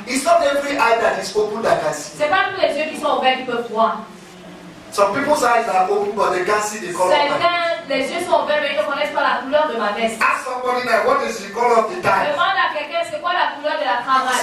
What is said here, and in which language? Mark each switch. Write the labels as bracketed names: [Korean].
[English] It's not every eye that is open that can see. [French] C'est pas tous les yeux qui sont ouverts qui peuvent voir. [English] Some people's eyes are open, but they can't see the color. [French] Certains, les yeux sont ouverts, mais ils ne connaissent pas la couleur de ma veste. [English] Ask somebody now, what is the color of the tie? [French] Demande à quelqu'un, c'est quoi la couleur de la cravate?